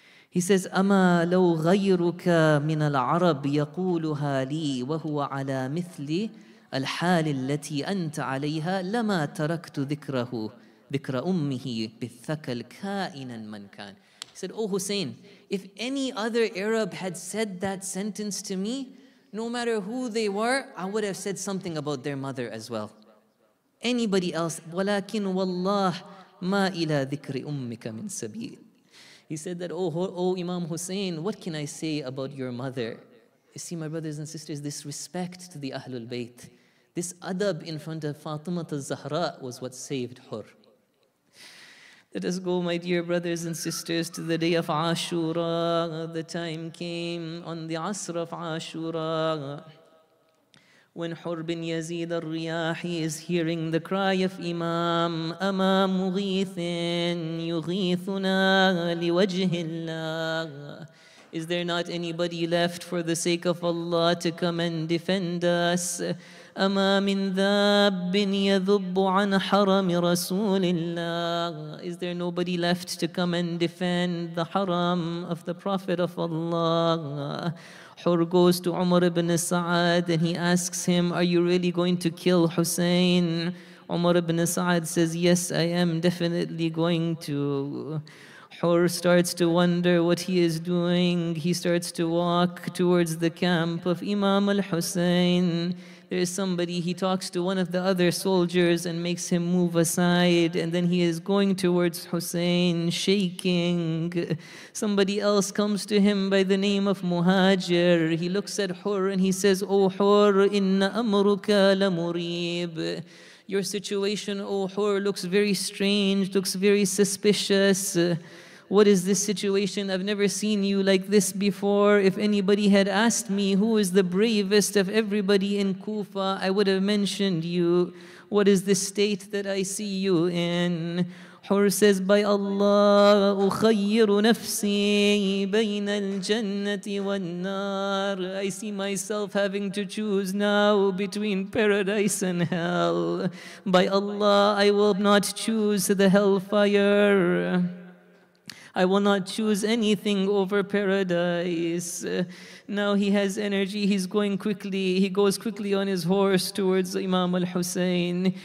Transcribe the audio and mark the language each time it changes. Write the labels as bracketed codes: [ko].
[en] He says, [ar] "Ama law ghayruka min al-Arab yaquluha li wa huwa ala mithli الحال التي أنت عليها لما تركت ذكره ذكر أمه بالثكل كائنا من كان. [en] He said, oh Hussein, if any other Arab had said that sentence to me, no matter who they were, I would have said something about their mother as well. Anybody else, [ar] ولكن والله ما إلى ذكر أمك من سبيل. [en] He said that, oh Imam Hussein, what can I say about your mother? You see, my brothers and sisters, this respect to the Ahlul Bayt, this adab in front of Fatima al-Zahra was what saved Hur. Let us go, my dear brothers and sisters, to the day of Ashura. The time came on the Asr of Ashura when Hur bin Yazid al-Riyahi is hearing the cry of Imam, [ar] Ama mughithin yughithuna liwajhi Allah. [en] Is there not anybody left for the sake of Allah to come and defend us? [ar] أما من ذاب يذب عن حرم رسول الله. [en] Is there nobody left to come and defend the haram of the Prophet of Allah? Hur goes to Umar ibn Sa'ad and he asks him, are you really going to kill Hussein? Umar ibn Sa'ad says, yes, I am definitely going to. Hur starts to wonder what he is doing. He starts to walk towards the camp of Imam al-Hussein. There is somebody, he talks to one of the other soldiers and makes him move aside, and then he is going towards Hussein, shaking. Somebody else comes to him by the name of Muhajir. He looks at Hur and he says, oh Hur, [ar] inna amruka la murib. [en] Your situation, oh Hur, looks very strange, looks very suspicious. What is this situation? I've never seen you like this before. If anybody had asked me who is the bravest of everybody in Kufa, I would have mentioned you. What is this state that I see you in? Hur says, by Allah, [ar] أُخَيِّرُ نَفْسِي بَيْنَ الْجَنَّةِ وَالنَّارِ. [en] I see myself having to choose now between paradise and hell. By Allah, I will not choose the hellfire. I will not choose anything over paradise. Now he has energy, he's going quickly. He goes quickly on his horse towards Imam al-Hussein.